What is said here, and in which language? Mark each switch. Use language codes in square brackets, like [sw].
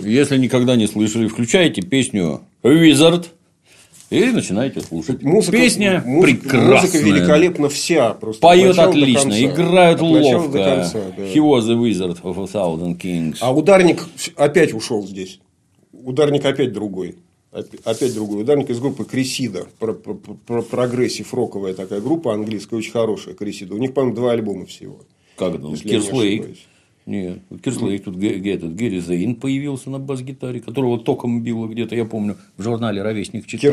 [ru] Если никогда не слышали, включайте песню «Wizard» и начинайте слушать. Музыка, песня прекрасная. Музыка великолепна вся. Просто поет отлично, играют ловко. До конца, да. [en] He was the wizard of a thousand kings. [ru] А ударник опять ушел здесь. Ударник опять другой. Опять другой ударник из группы «Крисида». Прогрессив-роковая такая группа английская, очень хорошая «Крисида». У них, по-моему, 2 альбома всего. Как думаешь? «Кирслейк»? Нет, Кирслейк, тут этот Гэри Зейн появился на бас-гитаре, которого током било где-то, я помню, в журнале «Ровесник» читал.